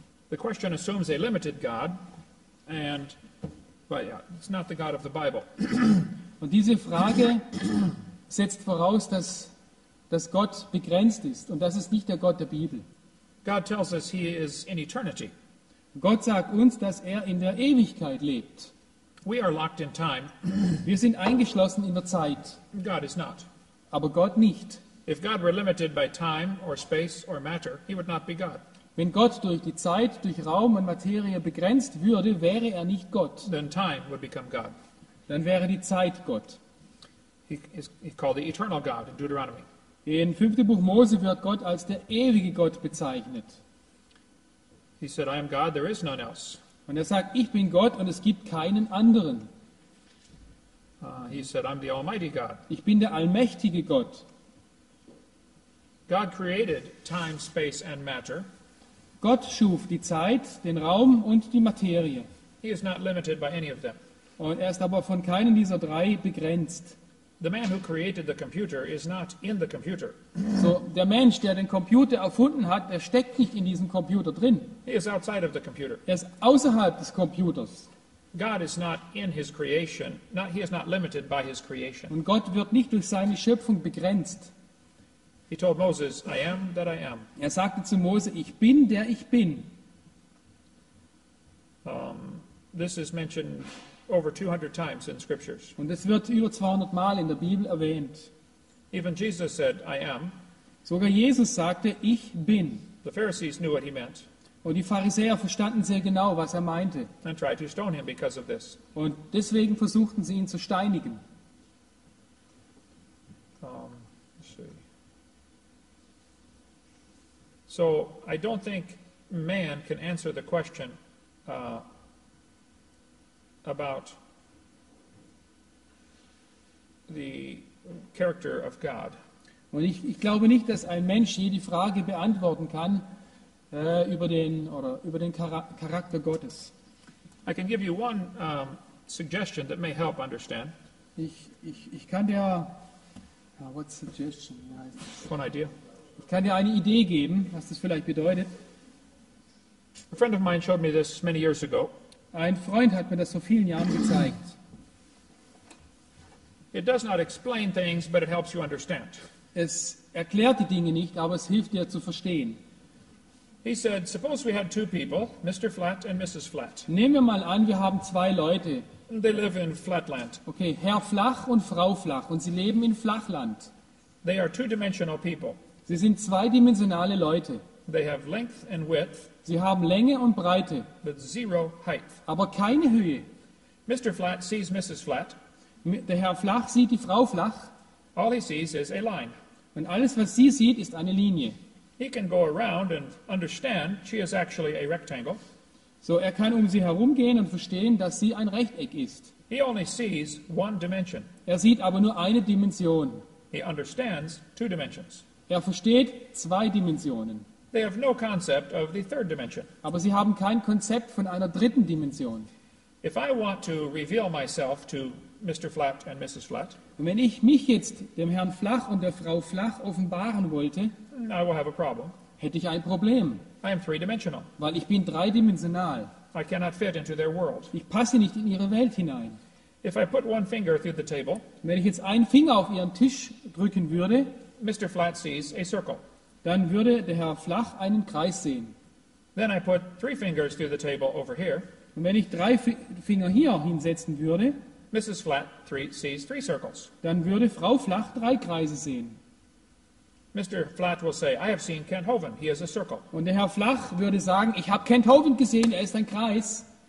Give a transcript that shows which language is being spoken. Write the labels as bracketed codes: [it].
[en] The question assumes a limited God, and but it's not the God of the Bible. [de] Und diese Frage setzt voraus, dass dass Gott begrenzt ist und das ist nicht der Gott der Bibel. [en] God tells us he is in eternity. [de] Gott sagt uns, dass in der Ewigkeit lebt. [en] We are locked in time. [de] Wir sind eingeschlossen in der Zeit. [en] God is not. [de] Aber Gott nicht. [en] If God were limited by time or space or matter, he would not be God. [de] Wenn Gott durch die Zeit, durch Raum und Materie begrenzt würde, wäre nicht Gott. [en] Then time would become God. [de] Dann wäre die Zeit Gott. [en] He's called the eternal God in Deuteronomy. [de] In 5. Buch Mose wird Gott als der ewige Gott bezeichnet. [en] He said, I am God, there is none else. [de] Und sagt, ich bin Gott und es gibt keinen anderen. [en] He said, I'm the almighty God. [de] Ich bin der allmächtige Gott. [en] God created time, space and matter. [de] Gott schuf die Zeit, den Raum und die Materie. [en] He is not limited by any of them. [de] Und ist aber von keinem dieser drei begrenzt. [en] The man who created the computer is not in the computer. [de] So, der Mensch, der den Computer erfunden hat, der steckt nicht in diesem Computer drin. [en] He is outside of the computer. [de] Ist außerhalb des Computers. [en] God is not in his creation. Not, he is not limited by his creation. [de] Und Gott wird nicht durch seine Schöpfung begrenzt. [en] He told Moses, I am that I am. [de] Sagte zu Mose, ich bin der ich bin. [en] This is mentioned over 200 times in scriptures. [de] Und es wird über 200 Mal in der Bibel erwähnt. [en] Even Jesus said, I am. [de] Sogar Jesus sagte, ich bin. [en] The Pharisees knew what he meant. [de] Und die Pharisäer verstanden sehr genau, was meinte. [en] And tried to stone him because of this. [de] Und deswegen versuchten sie ihn zu steinigen. [en] So I don't think man can answer the question about the character of God. [de] Und ich glaube nicht, dass ein Mensch je die Frage beantworten kann über den Charakter Gottes. [en] I can give you one suggestion that may help understand. [de] Ich kann dir [en] what suggestion? One idea. [de] Ich kann dir eine Idee geben, was das vielleicht bedeutet. [en] A friend of mine showed me this many years ago. [de] Ein Freund hat mir das vor vielen Jahren gezeigt. [en] It does not explain things, but it helps you understand. [de] Es erklärt die Dinge nicht, aber es hilft dir zu verstehen. [en] He said, suppose we had two people, Mr. Flat and Mrs. Flat. [de] Nehmen wir mal an, wir haben zwei Leute. [en] They live in Flatland. [de] Okay, Herr Flach und Frau Flach, und sie leben in Flachland. [en] They are two-dimensional people. [de] Sie sind zweidimensionale Leute. [en] They have length and width. [de] Sie haben Länge und Breite. [en] But zero height. [de] Aber keine Höhe. [en] Mr. Flat sees Mrs. Flat. [de] Der Herr Flach sieht die Frau Flach. [en] All he sees is a line. [de] Und alles, was sie sieht, ist eine Linie. [en] He can go around and understand she is actually a rectangle. [de] So kann um sie herumgehen und verstehen, dass sie ein Rechteck ist. [en] He only sees one dimension. [de] Sieht aber nur eine Dimension. [en] He understands two dimensions. [de] Versteht zwei Dimensionen. [en] They have no concept of the third dimension. [de] Aber sie haben kein Konzept von einer dritten Dimension. [en] If I want to reveal myself to Mr. Flat and Mrs. Flat, [de] und wenn ich mich jetzt dem Herrn Flach und der Frau Flach offenbaren wollte, [en] I will have a problem. [de] Hätte ich ein Problem. [en] I am three-dimensional. [de] Weil ich bin dreidimensional. [en] I cannot fit into their world. [de] Ich passe nicht in ihre Welt hinein. [en] If I put one finger through the table, [de] wenn ich jetzt einen Finger auf ihren Tisch drücken würde, [en] Mr. Flat sees a circle. [de] Dann würde der Herr Flach einen Kreis sehen. [en] Then I put three fingers through the table over here. [de] Und wenn ich drei Finger hier hinsetzen würde, [en] Mrs. Flat sees three circles. [de] Dann würde Frau Flach drei Kreise sehen. [en] Mr. Flat will say, I have seen Kent Hovind. He is a circle. [de] Und der Herr Flach würde sagen, ich habe Kent Hovind gesehen, ist ein Kreis.